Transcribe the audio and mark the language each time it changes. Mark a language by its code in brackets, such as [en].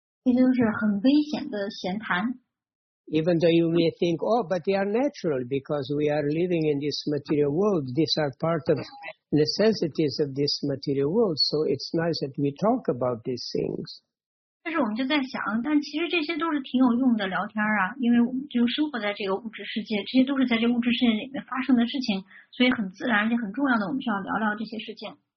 [zh] 这些都是很危险的闲谈。 [en] Even though you may think, oh, but they are natural because we are living in this material world. These are part of necessities of this material world. So it's nice that we talk about these things. [zh] 但是我们就在想，但其实这些都是挺有用的聊天啊，因为我们就生活在这个物质世界，这些都是在这物质世界里面发生的事情，所以很自然而且很重要的，我们需要聊聊这些事情。